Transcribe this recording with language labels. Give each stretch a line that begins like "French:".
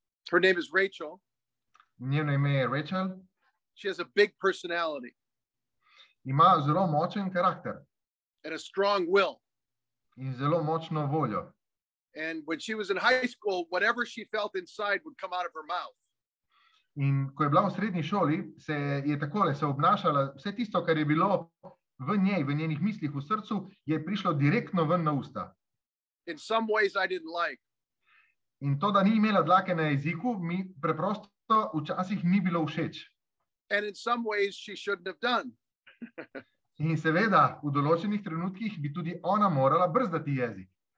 English: her name is Rachel.
Slovenian: Njeno ime je Rachel.
English: She has a big personality.
Slovenian: Ima zelo močen karakter.
English: And a strong will.
Slovenian: In zelo močno voljo.
English: And when she was in high school, whatever she felt inside would come out of her mouth.
Slovenian: In ko je bila v srednji šoli, se je takole, se obnašala vse tisto, kar je bilo v njej, v njenih mislih, v srcu, je prišlo direktno ven na usta.
English: In some ways I didn't like.
Slovenian: In to, da ni imela dlake na jeziku, mi preprosto včasih ni bilo všeč.
English: And in some ways she shouldn't have done.
Slovenian: In seveda, v določenih trenutkih bi tudi ona morala brzdati jezik.